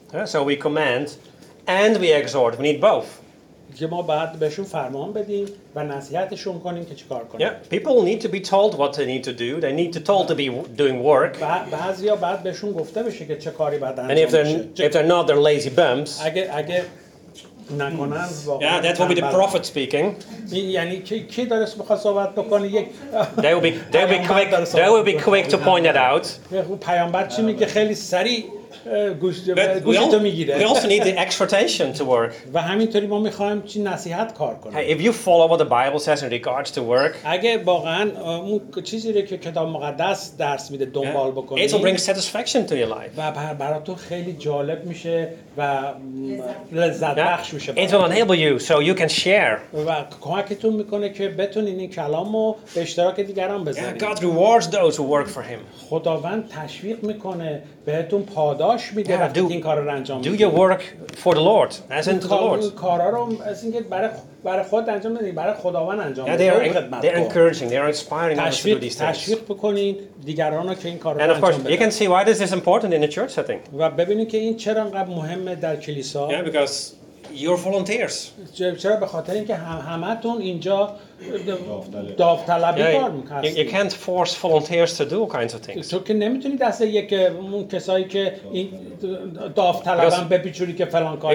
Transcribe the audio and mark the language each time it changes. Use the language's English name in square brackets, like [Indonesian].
[English] So we command and we exhort. We need both. [Persian] که ما باید بهشون فرمان بدیم و نصیحتشون کنیم که چیکار کنن. [English] Yeah, people need to be told what they need to do. They need to told to be doing work. [Persian] بعضیا باید بهشون گفته بشه که چه کاری باید انجام بشه. [English] And if they're not, they're lazy bums. [Persian] اگه نکنن واقعا. [English] Yeah, that will be the prophet speaking. [Persian] یعنی کی داره میخواد صحبت بکنه یک [English] They will be quick to point that out. [Persian] پیامبر چی میگه خیلی سریع گوشتو میگیره. [English] We also need the exhortation to work. [Persian] و همینطوری ما میخوایم چی نصیحت کار کنیم. [English] If you follow what the Bible says in regards to work. [Persian] اگه واقعا اون چیزی رو که کتاب مقدس درس میده دنبال بکنی. [English] It will bring satisfaction to your life. [Persian] و برای تو خیلی جالب میشه و لذت بخش میشه. [English] It will enable you so you can share. [Persian] و کمکتون میکنه که بتونین این کلامو به اشتراک دیگران بذارین. [English] God rewards those who work for him. [Persian] خداوند تشویق میکنه بهتون پاداش میده وقتی این کارا رو انجام میدید. [English] Do your work for the Lord as unto the Lord. [Persian] کارا رو از اینکه برای خود انجام بدید، برای خداوند انجام بدید. [English] They're encouraging, they're inspiring us to do these things. [Persian] تشویق بکنین دیگران رو که این کارا رو انجام بدن. [English] And of course, you can see why this is important in a church setting. [Persian] و ببینید که این چرا انقدر مهمه در کلیسا. [English] Yeah, because you're volunteers. [Persian] چرا به خاطر اینکه همتون اینجا داوطلبی کار می‌کنید. [English] You can't force volunteers to do all kinds of things. [Persian] تو که نمی‌تونی دست یک اون کسایی که این داوطلبن بپیچونی که فلان کارو.